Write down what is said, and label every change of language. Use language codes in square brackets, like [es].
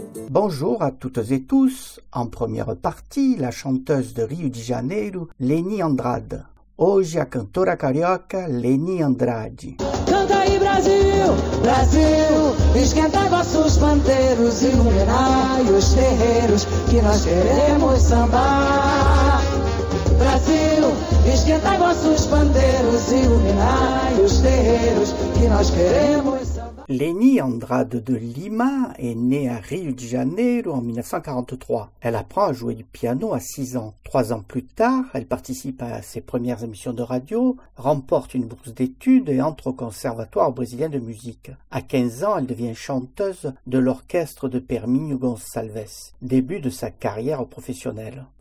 [fr] Bonjour à toutes et tous. En première partie, la chanteuse de Rio de Janeiro, Leni Andrade. [pt] Hoje, a cantora carioca, Leni Andrade. Canta aí, Brasil, Brasil, esquenta vossos panteiros, iluminai os terreiros, que nós queremos sambar. Brasil, esquenta vossos panteiros, iluminai os terreiros, que nós queremos. [fr] Leni Andrade de Lima est née à Rio de Janeiro en 1943. Elle apprend à jouer du piano à 6 ans. 3 ans plus tard, elle participe à ses premières émissions de radio, remporte une bourse d'études et entre au Conservatoire brésilien de musique. À 15 ans, elle devient chanteuse de l'orchestre de Permínio Gonçalves, début de sa carrière professionnelle.